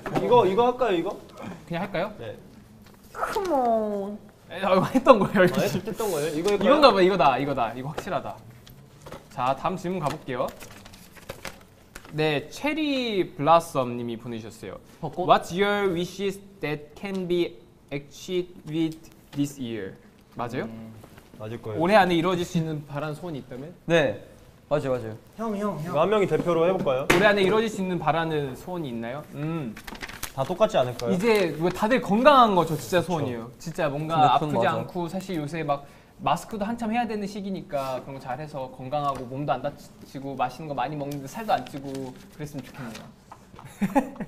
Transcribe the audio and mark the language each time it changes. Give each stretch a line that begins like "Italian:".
Korean: 이거 할까요, 이거? 그냥 할까요? 네.
English: Come on.
Korean: 아, 이거 했던 거예요, 이거. 아, 했던 거예요? 이거 할까요? 이건가 봐, 이거다. 이거 확실하다. 자, 다음 질문 가볼게요. 네, 체리 블라썸 님이 보내주셨어요. 벚꽃?
English: What's your wishes that can be achieved this year?
Korean: 맞아요? 맞을 거예요. 올해 안에 이루어질 수 있는 바란 소원이 있다면? 네. 맞아요. 형. 한 명이 대표로 해볼까요? 올해 안에 이루어질 수 있는 바라는 소원이 있나요? 다 똑같지 않을까요? 이제 다들 건강한 거죠, 진짜 그쵸. 소원이에요. 진짜 뭔가 아프지 맞아. 않고 사실 요새 막 마스크도 한참 해야 되는 시기니까 그런 거 잘해서 건강하고 몸도 안 다치고 맛있는 거 많이 먹는데 살도 안 찌고 그랬으면 좋겠네요.